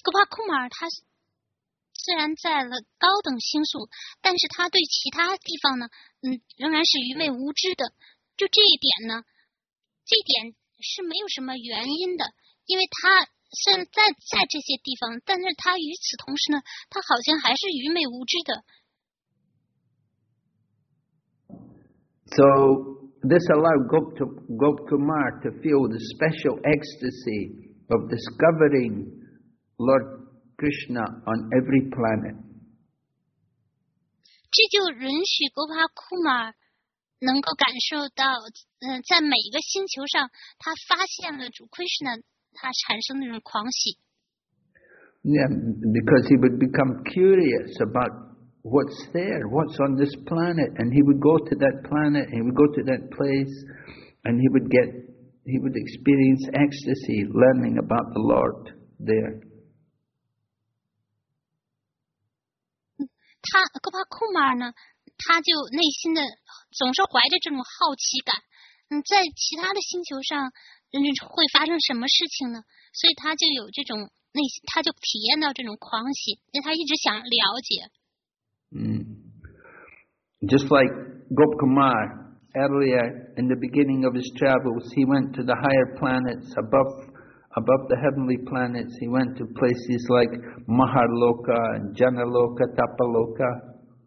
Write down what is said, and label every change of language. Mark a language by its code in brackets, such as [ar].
[zh] 虽然在了高等星宿，但是他对其他地方呢，仍然是愚昧无知的。就这一点呢，这一点是没有什么原因的，因为他虽然在这些地方，但是他与此同时呢，他好像还是愚昧无知的。 [en] So this allowed Gop Kumar to feel the special ecstasy of discovering Lord. Krishna on every planet. [zh] 这就允许 Gopal Kumar 能够感受到，在每一个星球上，他发现了主 Krishna， 他产生那种狂喜。 [en] Yeah, because he would become curious about what's there, what's on this planet, and he would go to that planet, he would go to that place, and he would experience ecstasy learning about the Lord there. [zh] 他戈巴库马呢，他就内心的总是怀着这种好奇感，在其他的星球上会发生什么事情呢？所以他就有这种内心，他就体验到这种狂喜，因为他一直想了解。 [en] Just like Gop Kumar earlier in the beginning of his travels, he went to the higher planets above the heavenly planets, he went to places like Maharloka, Janaloka, Tapaloka.